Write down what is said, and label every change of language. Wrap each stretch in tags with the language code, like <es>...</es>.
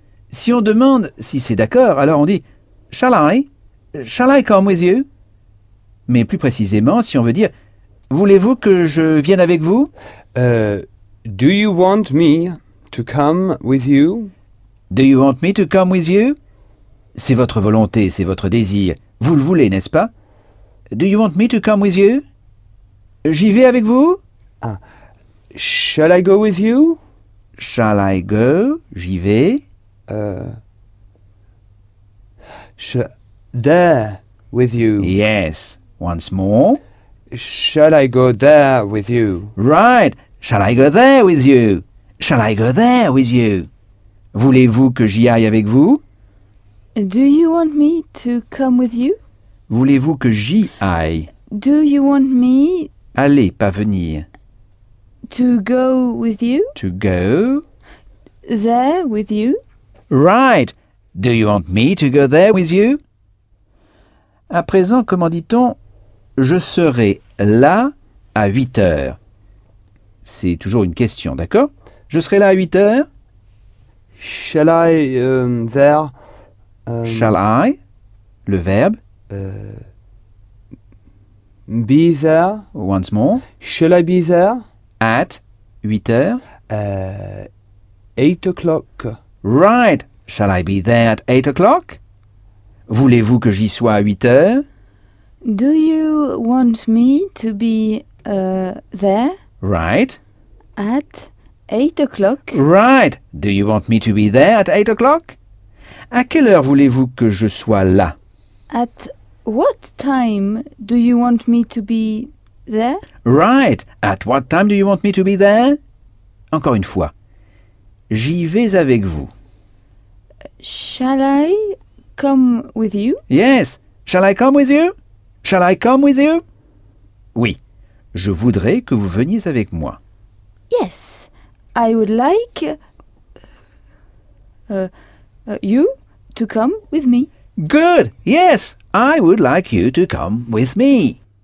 <fr>Si on demande si c'est d'accord, alors on dit</fr> <en>Shall I? Shall I come with you?</en> <fr>Mais plus précisément, si on veut dire Voulez-vous que je vienne avec vous?</fr> <en>Do you want me to come with you? Do you want me to come with you?</en> <fr>C'est votre volonté, c'est votre désir. Vous le voulez, n'est-ce pas?</fr> <en>Do you want me to come with you?</en> <fr>J'y vais avec vous?</fr> <en>Shall I go with you? Shall I go?</en> <fr>J'y vais.</fr> <en>There with you. Yes. Once more. Shall I go there with you? Right. Shall I go there with you? Shall I go there with you?</en> <fr>Voulez-vous que j'y aille avec vous?</fr> <en>Do you want me to come with you?</en> <fr>Voulez-vous que j'y aille?</fr> <en>Do you want me...</en> <fr>Aller, pas venir.</fr> <en>To go with you? To go. There with you? Right. Do you want me to go there with you?</en> <fr>À présent, comment dit-on? Je serai là à 8 heures. C'est toujours une question, d'accord? Je serai là à 8 heures.</fr> <en>Shall I there? Shall I?</en> <fr>Le verbe.</fr> <en>Be there. Once more. Shall I be there? At 8 heures. 8 o'clock. Right. Shall I be there at 8 o'clock?</en> <fr>Voulez-vous que j'y sois à 8 heures?</fr> <en>Do you want me to be there? Right. At 8 o'clock. Right. Do you want me to be there at 8 o'clock?</en> <fr>À quelle heure voulez-vous que je sois là?</fr> <en>At what time do you want me to be there? Right. At what time do you want me to be there?</en> <fr>Encore une fois. J'y vais avec vous.</fr> <en>Shall I come with you? Yes. Shall I come with you? Shall I come with you? Oui.</en> <fr>Je voudrais que vous veniez avec moi.</fr> <en>Yes. I would like you to come with me. Good. Yes. I would like you to come with me.</en>